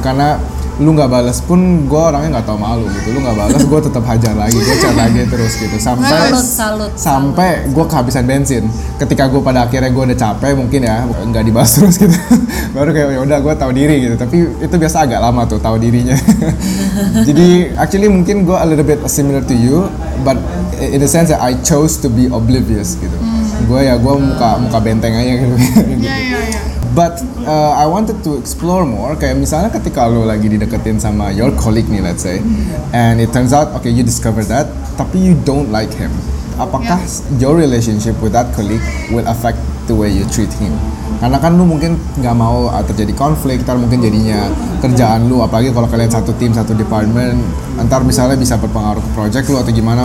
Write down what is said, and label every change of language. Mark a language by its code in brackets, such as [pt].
[id] Karena lu nggak balas pun gue orangnya nggak tau malu gitu, lu nggak balas gue tetap hajar lagi, gue chat lagi terus gitu sampai gue kehabisan bensin. Ketika gue pada akhirnya gue udah capek mungkin ya nggak dibalas terus gitu, baru kayak ya udah gue tahu diri gitu. Tapi itu biasa agak lama tuh tahu dirinya. Jadi actually mungkin gue [en] a little bit similar to you, but in the sense that I chose to be oblivious gitu. [id] Gue ya gue muka benteng aja gitu. [en] But I wanted to explore more. [id] Kayak misalnya ketika lo lagi dideketin sama [en] your colleague nih, let's say, and it turns out, okay, you discover that, tapi you don't like him. [id] Apakah [en] your relationship with that colleague will affect the way you treat him? [id] Karena kan lo mungkin nggak mau terjadi konflik, ntar mungkin jadinya kerjaan lo, apalagi kalau kalian satu tim, satu department, ntar misalnya bisa berpengaruh ke project lo atau gimana.